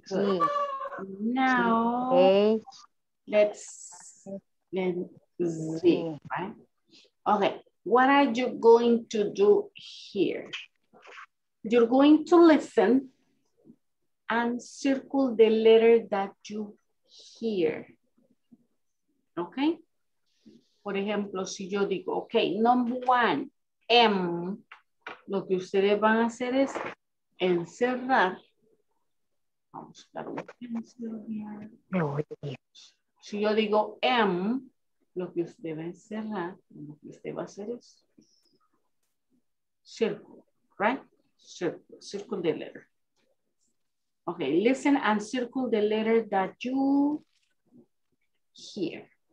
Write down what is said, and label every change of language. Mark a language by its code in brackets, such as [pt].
[en] good. Now, let's see, right? Okay, what are you going to do here? You're going to listen and circle the letter that you hear, okay? [es] Por ejemplo, si yo digo, [en] okay, number one, M, [es] lo que ustedes van a hacer es encerrar. Vamos a dar un pincel bien. Si yo digo M, lo que usted va a encerrar, lo que usted va a hacer es [en] circle, right? Circle, circle the letter. Okay, listen and circle the letter that you hear.